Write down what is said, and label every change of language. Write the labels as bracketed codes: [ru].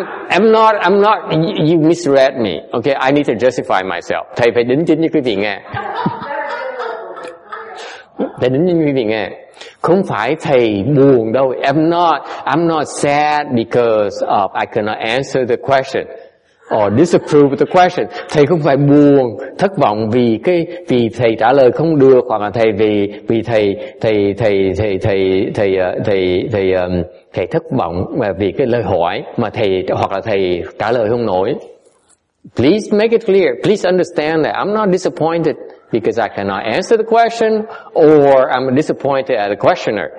[en] I'm not you misread me. Okay, I need to justify myself. [vi] Thầy phải đính chính cho quý vị nghe. Thầy đính chính cho quý vị nghe. Không phải thầy buồn đâu. [en] I'm not sad because of I cannot answer the question or disapprove the question. [vi] Thầy không phải buồn, thất vọng vì thầy trả lời không được, hoặc là thầy vì thầy thất vọng vì cái lời hỏi mà thầy hoặc là thầy trả lời không nổi. [en] Please make it clear. Please understand that I'm not disappointed because I cannot answer the question, or I'm disappointed at the questioner.